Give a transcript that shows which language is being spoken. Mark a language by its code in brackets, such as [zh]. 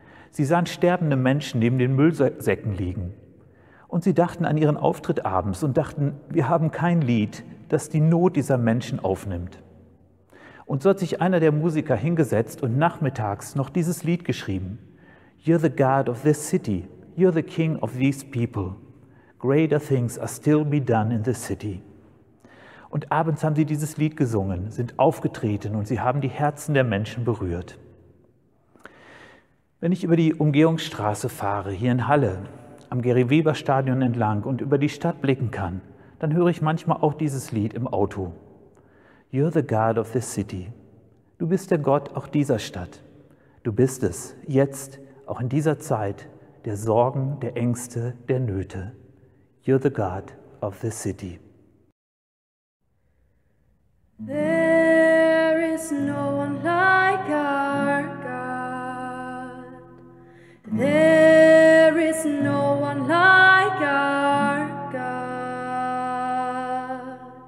[de] Sie sahen sterbende Menschen neben den Müllsäcken liegen. Und sie dachten an ihren Auftritt abends und dachten, wir haben kein Lied, das die Not dieser Menschen aufnimmt. Und so hat sich einer der Musiker hingesetzt und nachmittags noch dieses Lied geschrieben. [en] You're the God of this city. You're the King of these people. Greater things are still to be done in this city. [de] Und abends haben sie dieses Lied gesungen, sind aufgetreten und sie haben die Herzen der Menschen berührt. Wenn ich über die Umgehungsstraße fahre, hier in Halle, am Gary-Weber-Stadion entlang und über die Stadt blicken kann, dann höre ich manchmal auch dieses Lied im Auto. [en] You're the God of this city. [de] Du bist der Gott auch dieser Stadt. Du bist es, jetzt, auch in dieser Zeit, der Sorgen, der Ängste, der Nöte. [en] You're the God of this city. There is no one like our God. There is no one like our God.